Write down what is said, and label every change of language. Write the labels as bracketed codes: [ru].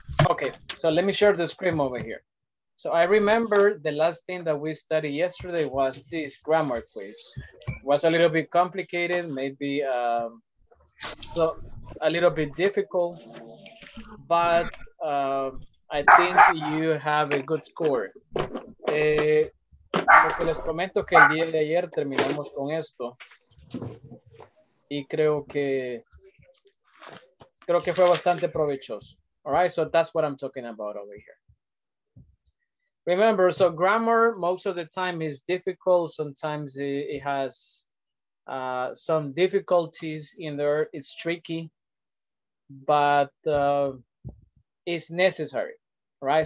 [en] Okay, so let me share the screen over here. So I remember the last thing that we studied yesterday was this grammar quiz. It was a little bit complicated, maybe a little bit difficult, but I think you have a good score. [es] Porque les comento que el día de ayer terminamos con esto y creo que fue bastante provechoso. [en] All right, so that's what I'm talking about over here. Remember, so grammar most of the time is difficult. Sometimes it has some difficulties in there. It's tricky, but it's necessary, right?